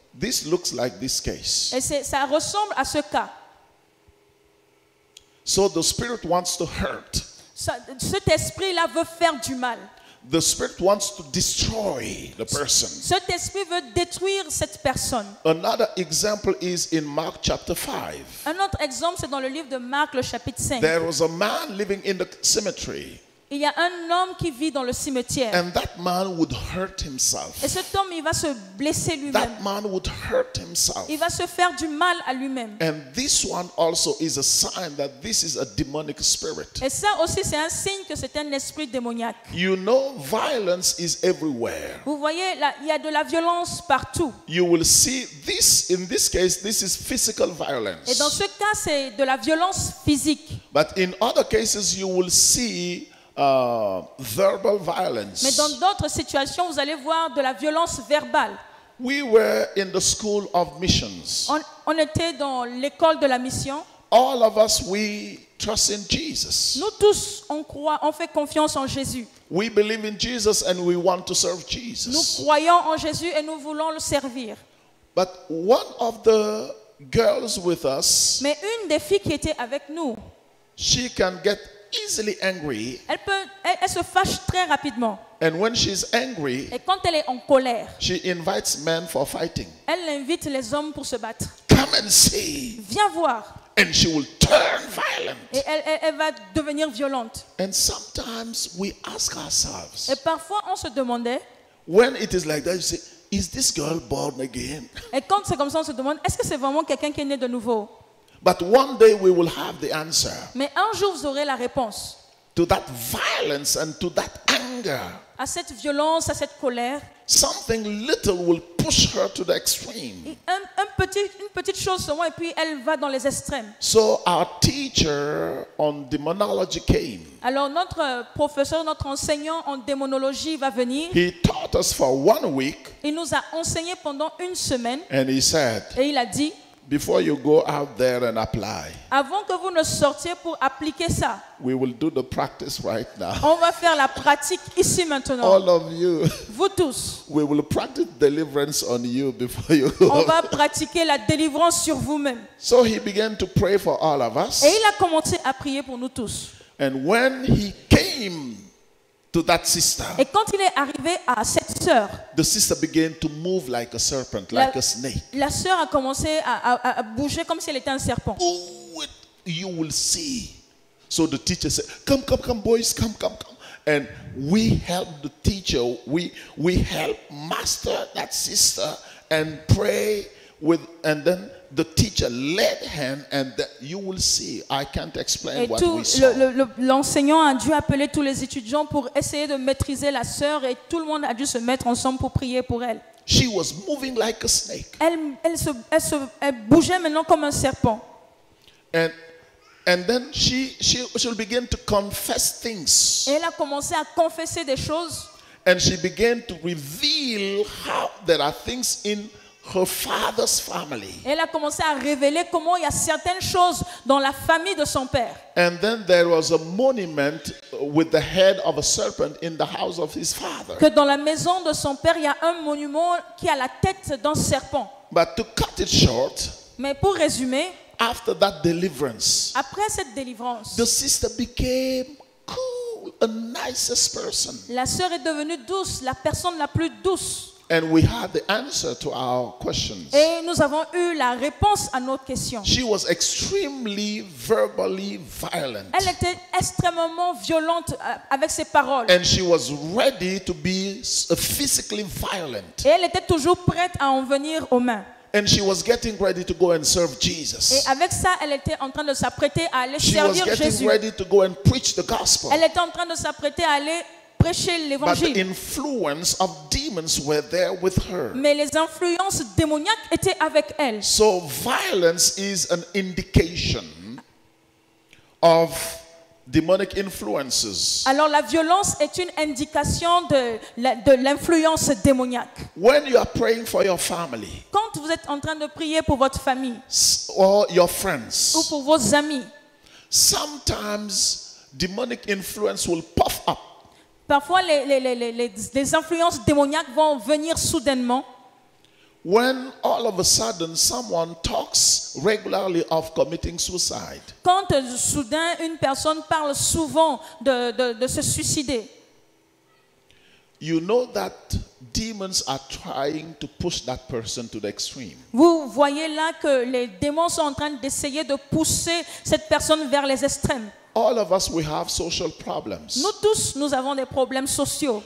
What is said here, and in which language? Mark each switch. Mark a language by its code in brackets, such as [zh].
[en] This looks like this case. [fr] Et ça ressemble à ce cas. [en] So the spirit wants to hurt. [fr] Cet esprit-là veut faire du mal. [en] The spirit wants to destroy the person. [fr] Cet esprit veut détruire cette personne. [en] Another example is in Mark chapter 5. [fr] Un autre exemple c'est dans le livre de Marc le chapitre 5. [en] There was a man living in the cemetery. [fr] Il y a un homme qui vit dans le cimetière. [en] And that man would hurt himself. [fr] Et cet homme, il va se blesser lui-même. [en] That man would hurt himself. [fr] Il va se faire du mal à lui-même. [en] And this one also is a sign that this is a demonic spirit. [fr] Et ça aussi, c'est un signe que c'est un esprit démoniaque. [en] You know, violence is everywhere. [fr] Vous voyez, là, il y a de la violence partout. [en] You will see this. In this case, this is physical violence. [fr] Et dans ce cas, c'est de la violence physique. [en] But in other cases, you will see verbal violence. [fr] Mais dans d'autres situations, vous allez voir de la violence verbale. [en] We were in the school of missions. [fr] On était dans l'école de la mission. [en] All of us, we trust in Jesus. [fr] Nous tous, on croit, on fait confiance en Jésus. [en] We believe in Jesus and we want to serve Jesus. [fr] Nous croyons en Jésus et nous voulons le servir. [en] But one of the girls with us, [fr] mais une des filles qui était avec nous, [en] she can get easily angry. [fr] Elle se fâche très rapidement. [en] And when she's angry, [fr] et quand elle est en colère, [en] she invites men for fighting. [fr] Elle invite les hommes pour se battre. [en] Come and see. [fr] Viens voir. [en] And she will turn violent. [fr] Et elle va devenir violente. [en] And sometimes we ask ourselves. [fr] Et parfois on se demandait. [en] When it is like that, you say, is this girl born again? [fr] Et quand c'est comme ça, on se demande, est-ce que c'est vraiment quelqu'un qui est né de nouveau? [en] But one day we will have the answer. [fr] Mais un jour vous aurez la réponse. [en] To that violence and to that anger. [fr] À cette violence, à cette colère. [en] Something little will push her to the extreme. [fr] Une petite chose seulement et puis elle va dans les extrêmes. [en] So our teacher on demonology came. [fr] Alors notre professeur, notre enseignant en démonologie va venir. [en] He taught us for 1 week. [fr] Il nous a enseigné pendant une semaine. [en] And he said. [fr] Et il a dit. [en] Before you go out there and apply. [fr] Avant que vous ne sortiez pour appliquer ça. [en] We will do the practice right now. [fr] On va faire la pratique ici maintenant. [en] All of you. [fr] Vous tous. [en] We will practice deliverance on you before you go. [fr] On va pratiquer la délivrance sur vous-même. [en] So he began to pray for all of us. [fr] Et il a commencé à prier pour nous tous. [en] And when he came to that sister. [fr] Et quand il est arrivé à cette sœur, [en] the sister began to move like a serpent, like a snake. [fr] La sœur a commencé à bouger comme si elle était un serpent. [en] Oh, you will see. So the teacher said, come boys, come. And we helped the teacher, we helped master that sister and pray with, and then the teacher led him, and that you will see. I can't explain [fr] et [en] what [fr] tout, [en] we saw. [fr] L'enseignant a dû appeler tous les étudiants pour essayer de maîtriser la sœur, et tout le monde a dû se mettre ensemble pour prier pour elle. [en] She was moving like a snake. [fr] Elle bougeait maintenant comme un serpent. [en] And then she began to confess things. [fr] Et elle a commencé à confesser des choses. [en] And she began to reveal how there are things in her father's family. [fr] Elle a commencé à révéler comment il y a certaines choses dans la famille de son père. [en] And then there was a monument with the head of a serpent in the house of his father. [fr] Que dans la maison de son père, il y a un monument qui a la tête d'un serpent. [en] But to cut it short, [fr] mais pour résumer, [en] after that deliverance, [fr] après cette délivrance, [en] the sister became cool, the nicest person. [fr] La sœur est devenue douce, la personne la plus douce. [en] And we had the answer to our questions. [fr] Et nous avons eu la réponse à nos questions. [en] She was extremely verbally violent. [fr] Elle était extrêmement violente avec ses paroles. [en] And she was ready to be physically violent. [fr] Et elle était toujours prête à en venir aux mains. [en] And she was getting ready to go and serve Jesus. [fr] Et avec ça, elle était en train de s'apprêter à aller servir Jésus. [en] She was getting ready to go and preach the gospel. [fr] Elle était en train de s'apprêter à aller prêcher l'évangile. [en] But the influence of demons were there with her. [fr] Mais les influences démoniaques étaient avec elle. [en] So violence is an indication of demonic influences. [fr] Alors la violence est une indication de l'influence démoniaque. [en] When you are praying for your family, [fr] quand vous êtes en train de prier pour votre famille, [en] or your friends, [fr] ou pour vos amis, [en] sometimes demonic influence will puff up. [fr] Parfois, les influences démoniaques vont venir soudainement. [en] When all of a sudden someone talks regularly of committing suicide. [fr] Quand soudain une personne parle souvent de se suicider. [en] You know that demons are trying to push that person to the extreme. [fr] Vous voyez là que les démons sont en train d'essayer de pousser cette personne vers les extrêmes. [en] All of us, we have social problems. [fr] Nous tous, nous avons des problèmes sociaux.